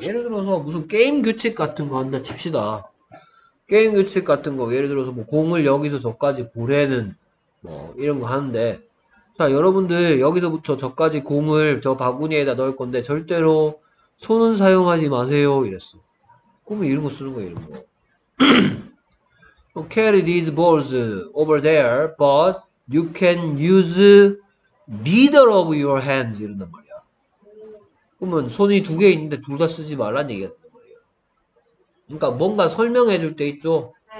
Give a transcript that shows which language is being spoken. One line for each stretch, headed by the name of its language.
Korean: 예를 들어서 무슨 게임 규칙 같은 거 한다 칩시다. 게임 규칙 같은 거 예를 들어서 뭐 공을 여기서 저까지 보내는 뭐 이런 거 하는데 자 여러분들 여기서부터 저까지 공을 저 바구니에다 넣을 건데 절대로 손은 사용하지 마세요 이랬어. 꿈이 이런 거 쓰는 거야 이런 거.
English: carry these balls over there, but you can use neither of your hands.
Korean: 이런단 말이야. 그러면 손이 두 개 있는데 둘 다 쓰지 말란 얘기였단 말이야. 그러니까 뭔가 설명해 줄 때 있죠?